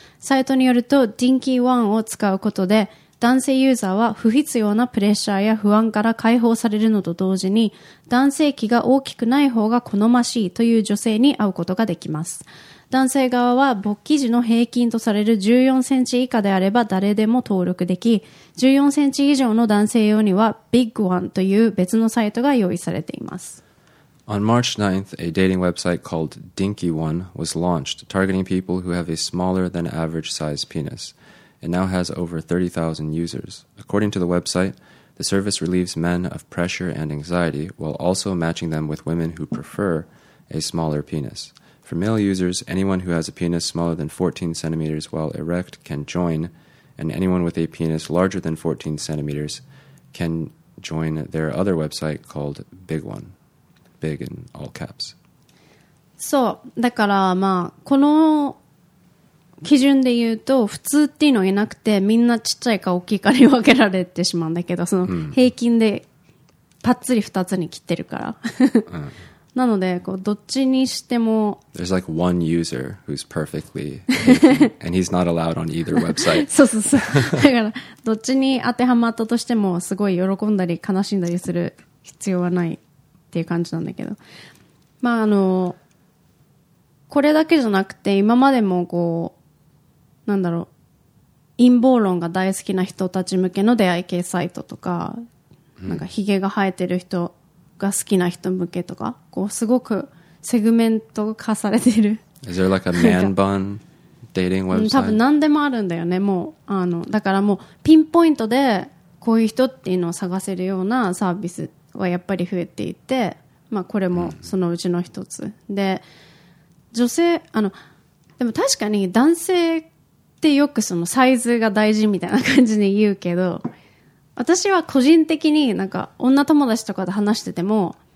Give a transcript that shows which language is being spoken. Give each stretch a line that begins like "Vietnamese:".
Japanese: サイトによると Dinky One を使うことで男性ユーザーは不必要なプレッシャーや不安から解放されるのと同時に、男性器が大きくない方が好ましいという女性に会うことができます。男性側は勃起時の平均とされる14センチ以下であれば誰でも登録でき、14センチ以上の男性用にはビッグワンという別のサイトが用意されています。
English: On March 9th, a dating website called Dinky One was launched, targeting people who have a smaller than average size penis. It now has over 30,000 users. According to the website, the service relieves men of pressure and anxiety while also matching them with women who prefer a smaller penis. For male users, anyone who has a penis smaller than 14 centimeters while erect can join, and anyone with a penis larger than 14 centimeters can join their other website called Big One. Big in all caps.
Japanese: So, だからまあこの基準で言うと普通っていうのがいなくて、みんなちっちゃいか大きいかに分けられてしまうんだけど、その平均でパッツリ2つに切ってるから。なのでこうどっちにしても
English: There's like one user who's perfectly and he's not allowed on either website.
Japanese: そうそうそう。だからどっちに当てはまったとしてもすごい喜んだり悲しんだりする必要はないっていう感じなんだけど、まああのこれだけじゃなくて、今までもこうなんだろう、陰謀論が大好きな人たち向けの出会い系サイトとか、なんかヒゲが生えてる人が好きな人向けとか、こうすごくセグメント化されている。
English: Is there like a man bun dating website?
Japanese: 多分何でもあるんだよね。もうあのだからもうピンポイントでこういう人っていうのを探せるようなサービスはやっぱり増えていて、まあこれもそのうちの一つ、mm-hmm. で女性あのでも確かに男性ってよくそのサイズが大事みたいな感じで言うけど、私は個人的になんか女友達とかで話してても